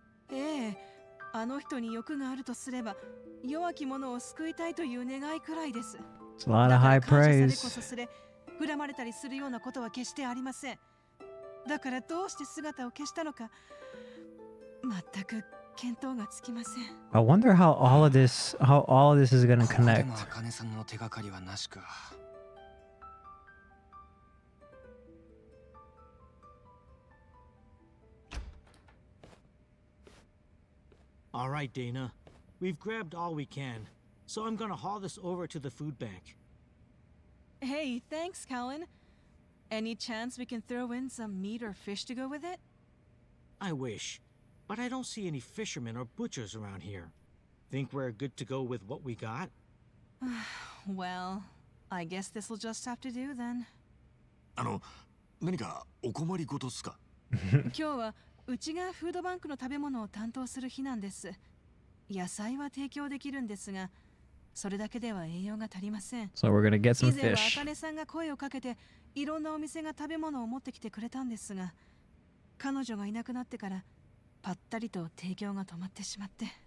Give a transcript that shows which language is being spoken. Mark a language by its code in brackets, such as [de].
[ja] ええ、あの人に欲があるとすれば弱き者を救いたいという願いくらいです。 [en] It's a lot of high praise. [ja] だから感謝されこそすれ恨まれたりするようなことは決してありません。だからどうして姿を消したのか全く見当がつきません。 [en] I wonder how all of this is going to connect. [ja] ここでも茜さんの手がかりはなしか。 [en] All right, Dana. We've grabbed all we can, so I'm gonna haul this over to the food bank. Hey, thanks, Colin. Any chance we can throw in some meat or fish to go with it? I wish, but I don't see any fishermen or butchers around here. Think we're good to go with what we got? Well, I guess this'll just have to do then. [ja] あの、何かお困りごとっすか？今日はうちがフードバンクの食べ物を担当する日なんです。野菜は提供できるんですが、それだけでは栄養が足りません。 [en] So we're gonna get some fish. [ja] 以前はアカネさんが声をかけていろんなお店が食べ物を持ってきてくれたんですが、彼女がいなくなってからパッタリと提供が止まってしまって。